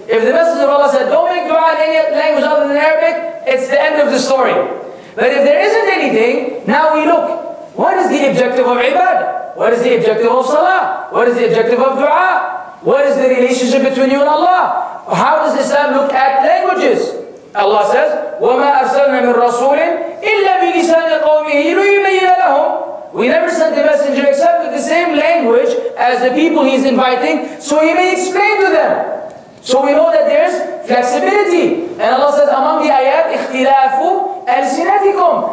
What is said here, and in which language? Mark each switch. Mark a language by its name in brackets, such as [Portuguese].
[English] If the Messenger of Allah said, don't make dua in any language other than Arabic, it's the end of the story. But if there isn't anything, now we look. What is the objective of ibad? What is the objective of salah? What is the objective of dua? What is the relationship between you and Allah? How does Islam look at languages? Allah says, [Arabic] وَمَا أَرْسَلْنَا مِنْ رَسُولٍ إِلَّا بِلِسَانِ قَوْمِهِ لِيُبَيِّنَ لَهُمْ. [English] We never sent a messenger except with the same language as the people he's inviting, so he may explain to them. So we know that there's flexibility. And Allah says among the ayat, [Arabic] اِخْتِلَافُ أَلْسِنَتِكُمْ.